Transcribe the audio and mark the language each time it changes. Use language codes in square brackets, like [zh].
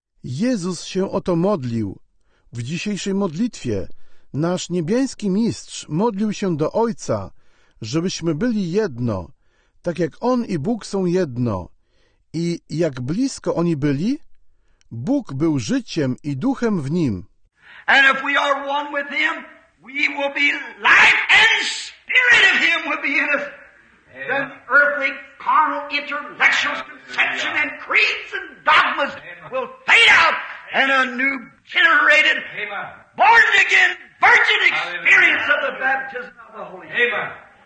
[pl] Jezus się o to modlił. W dzisiejszej modlitwie nasz niebiański Mistrz modlił się do Ojca, żebyśmy byli jedno, tak jak On i Bóg są jedno. I jak blisko oni byli, Bóg był życiem i duchem w nim. [en] And if we are one with Him, we will be life and spirit of Him will be in us. Then the earthly, carnal, intellectual conception and creeds and dogmas will fade out and a new generated, born again, virgin experience of the baptism of the Holy Spirit.